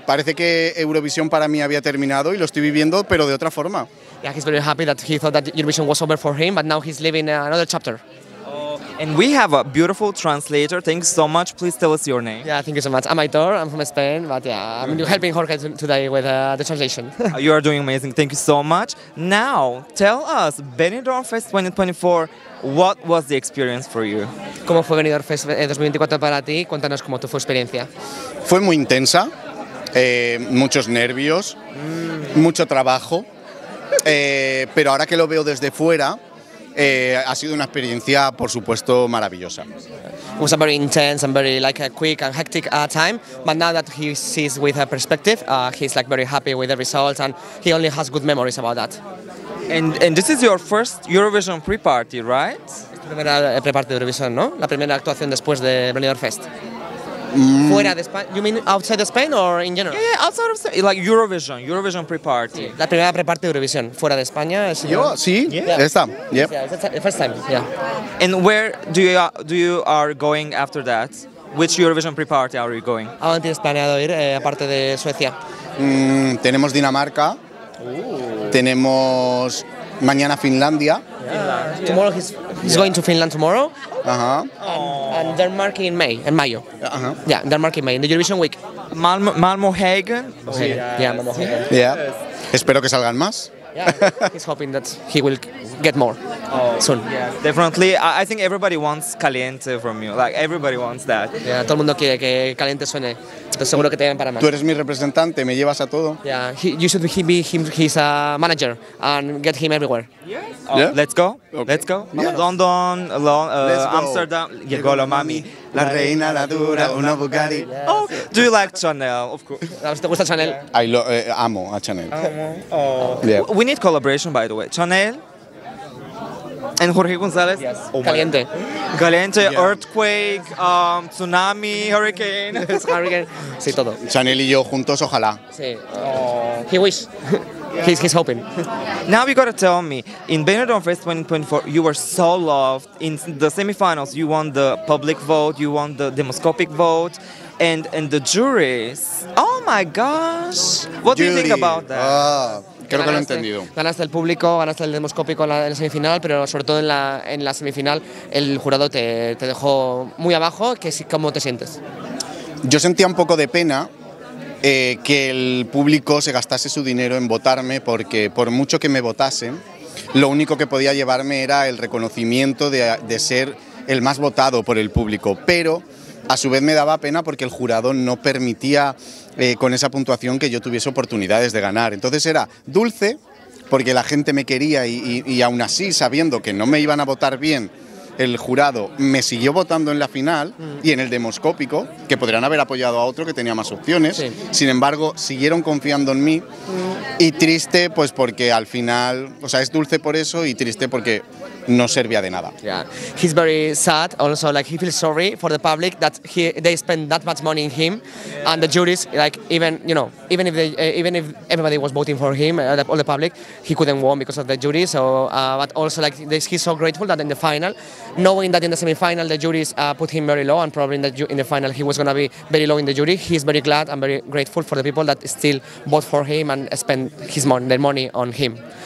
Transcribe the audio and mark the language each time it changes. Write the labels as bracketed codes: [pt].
[es] Parece que Eurovision para mí había terminado y lo estoy viviendo, pero de otra forma. [en] Yeah, he's very happy that he thought that Eurovision was over for him, but now he's living another chapter. And we have a beautiful translator. Thanks so much. Please tell us your name. Yeah, thank you so much. I'm Aitor. I'm from Spain. But yeah, I'm helping Jorge today with the translation. You are doing amazing. Thank you so much. Now, tell us, Benidorm Fest 2024, what was the experience for you? [es] ¿Cómo fue Benidorm Fest 2024 para ti? Cuéntanos cómo fue tu experiencia. Fue muy intensa. Muchos nervios. Mucho trabajo. pero ahora que lo veo desde fuera, ha sido una experiencia, por supuesto, maravillosa. [en] It was a very intense and very like a quick and hectic time. But now that he sees with a perspective, he's like very happy with the results and he only has good memories about that. And this is your first Eurovision pre-party, right? [es] La primera pre-party de Eurovision, ¿no? La primera actuación después de Benidorm Fest. Fuera de España. [en] You mean outside of Spain or in general? Yeah, yeah, outside of Spain. Like Eurovision, Eurovision pre-party. Sí. [es] La primera pre-party de Eurovision, fuera de España. Es yo, el... sí, yeah. Esta. Yep. [en] Yeah, the first time, yeah. And where are you going after that? Which Eurovision pre-party are you going? [es] ¿A dónde tienes planeado ir, aparte de Suecia? Tenemos Dinamarca. Ooh. Tenemos mañana Finlandia. [en] Yeah. Tomorrow he's going to Finland tomorrow. Uh-huh. And Denmark in May, in Mayo. Uh-huh. Yeah, Denmark in May, in the Eurovision week. Malmo Hagen. Sí. Yeah, Malmo Hagen. [es] Yeah. Espero que salgan más. [en] Yeah, he's hoping that he will get more soon. Yeah, definitely. I think everybody wants Caliente from you. Like, everybody wants that. [es] Yeah, todo el mundo quiere que Caliente suene. Pero seguro que te vayan para más. Tú eres mi representante, me llevas a todo. [en] Yeah, you should be him, his manager and get him everywhere. Yes. Oh, yeah. Let's go. Okay. Let's go. Yes. [es] London, Amsterdam. Llegó la mami. La reina, la dura, una Bugatti. Yes. [en] Oh, do you like Chanel? Of course. [es] ¿Te gusta Chanel? Yeah. Amo a Chanel. Amo. [en] Oh. Yeah. We need collaboration, by the way. Chanel and Jorge González. Yes. Oh, Caliente. Caliente, yeah. Earthquake, tsunami, hurricane. It's hurricane. [es] Sí, todo. Chanel y yo juntos, ojalá. [en] Sí. He wish. Yeah. He's hoping. Now you gotta tell me, in Benidorm Fest 2024, you were so loved. In the semifinals, you won the public vote, you won the demoscopic vote, and the juries. Oh my gosh! What Jury. Do you think about that? [es] Creo que lo he entendido. Ganaste el público, ganaste el demoscópico en la semifinal, pero sobre todo en la semifinal, el jurado te dejó muy abajo. ¿Cómo te sientes? Yo sentía un poco de pena. Que el público se gastase su dinero en votarme, porque por mucho que me votasen, lo único que podía llevarme era el reconocimiento de ser el más votado por el público. Pero a su vez me daba pena porque el jurado no permitía con esa puntuación que yo tuviese oportunidades de ganar. Entonces era dulce porque la gente me quería y aún así, sabiendo que no me iban a votar bien, el jurado me siguió votando en la final y en el demoscópico, que podrían haber apoyado a otro que tenía más opciones. Sí. Sin embargo, siguieron confiando en mí. Y triste, pues porque al final, o sea, es dulce por eso y triste porque no servía de nada. [en] Yeah, he's very sad. Also, like he feels sorry for the public that they spend that much money in him, yeah. And the juries, like even you know, even if they, even if everybody was voting for him, all the public, he couldn't win because of the jury. So, but also like this, he's so grateful that in the final, knowing that in the semifinal the juries put him very low and probably in the final he was gonna be very low in the jury, he's very glad and very grateful for the people that still vote for him and spend their money on him.